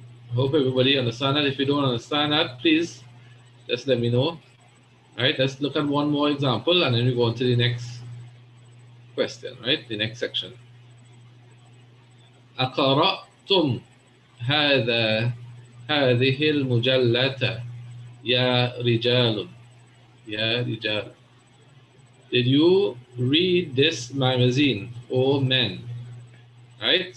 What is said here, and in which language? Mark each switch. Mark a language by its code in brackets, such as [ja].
[en] I hope everybody understands that. If you don't understand that, please just let me know. All right, let's look at one more example and then we go on to the next question, right? The next section. [ar] Aqara'tum hadha هذه المجلات يا رجال يا رجال. [en] Did you read this magazine, O men? Right.